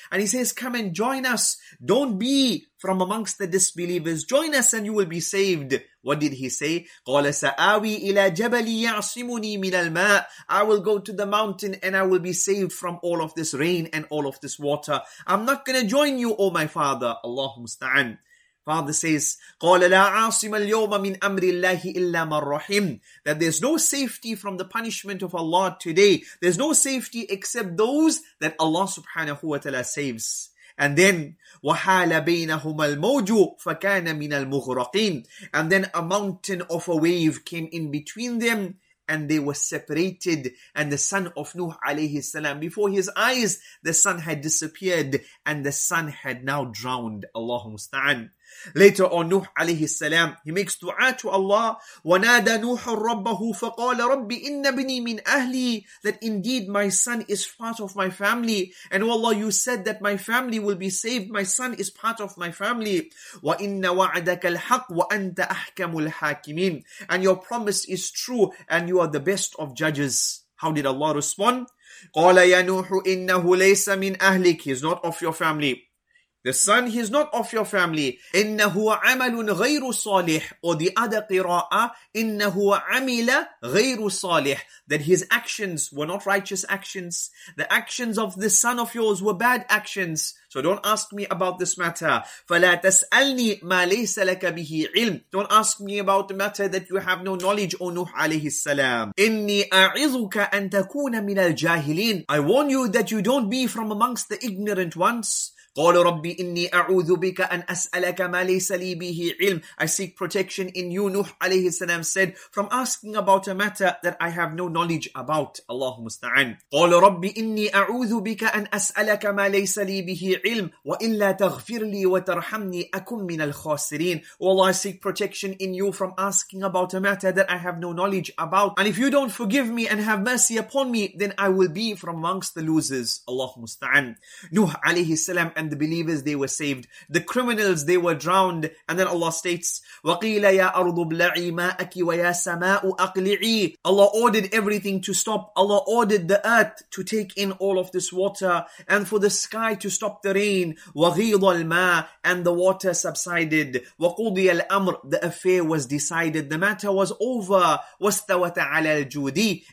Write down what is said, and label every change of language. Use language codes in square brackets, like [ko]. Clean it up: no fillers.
[en] And he says, come and join us. Don't be from amongst the disbelievers. Join us and you will be saved. What did he say? [ar] قَالَ سَآوِي إِلَى جَبَلِي يَعْصِمُنِي مِنَ الْمَاءِ. [en] I will go to the mountain and I will be saved from all of this rain and all of this water. I'm not going to join you, O my father. Allahu musta'an. Father says, [ar] قَالَ لَا عَاصِمَ الْيَوْمَ مِنْ أَمْرِ اللَّهِ إِلَّا مَنْ رَحِيمٌ. [en] That there's no safety from the punishment of Allah today. There's no safety except those that Allah subhanahu wa ta'ala saves. And then, [ar] وَحَالَ بَيْنَهُمَ الْمَوْجُ فَكَانَ مِنَ الْمُغْرَقِينَ. [en] And then a mountain of a wave came in between them and they were separated. And the son of Nuh alayhi salam, before his eyes, the son had disappeared and the son had now drowned. Allahu musta'an. Later on, Nuh alayhi salam, he makes dua to Allah. [ar] وَنَادَى نُوحٌ رَبَّهُ فَقَالَ رَبِّ إِنَّ بِنِي مِنْ أَهْلِي. [en] That indeed my son is part of my family. And oh Allah, you said that my family will be saved. My son is part of my family. [ar] وَإِنَّ وَعَدَكَ الْحَقِّ وَأَنْتَ أَحْكَمُ الْحَاكِمِينَ. [en] And your promise is true and you are the best of judges. How did Allah respond? [ar] قَالَ يَا نُوحُ إِنَّهُ لَيْسَ مِنْ أَهْلِكِ. [en] He is not of your family. The son, he's not of your family. [ar] إنه عمل غير صالح. [en] Or the other [ar] قراءة, إنه عمل غير صالح. [en] That his actions were not righteous actions. The actions of this son of yours were bad actions. So don't ask me about this matter. [ar] فلا تسألني ما ليس لك به علم. [en] Don't ask me about the matter that you have no knowledge, O Nuh عليه السلام. [ar] إني أعظك أن تكون من الجاهلين. [en] I warn you that you don't be from amongst the ignorant ones. [ar] قال ربي إني أعوذ بك أن أسألك ما ليس لي به علم. [en] I seek protection in you, Nuh عليه السلام said, from asking about a matter that I have no knowledge about. [ar] الله مستعان. قال ربي إني أعوذ بك أن أسألك ما ليس لي به علم وإلا تغفر لي وترحمني أكون من الخاسرين. [en] Oh Allah, I seek protection in you from asking about a matter that I have no knowledge about. And if you don't forgive me and have mercy upon me, then I will be from amongst the losers. [ar] الله مستعان. [en] Nuh عليه السلام and the believers, they were saved. The criminals, they were drowned. And then Allah states, [ar] وَقِيلَ يَا أَرْضُ بْلَعِي مَاءَكِ وَيَا سَمَاءُ أَقْلِعِي. [en] Allah ordered everything to stop. Allah ordered the earth to take in all of this water and for the sky to stop the rain. [ar] وَغِيضَ الْمَاءُ. [en] And the water subsided. [ar] وَقُضِيَ الْأَمْرُ. [en] The affair was decided. The matter was over. [ar] وَاسْتَوَتَ عَلَى الْجُودِي.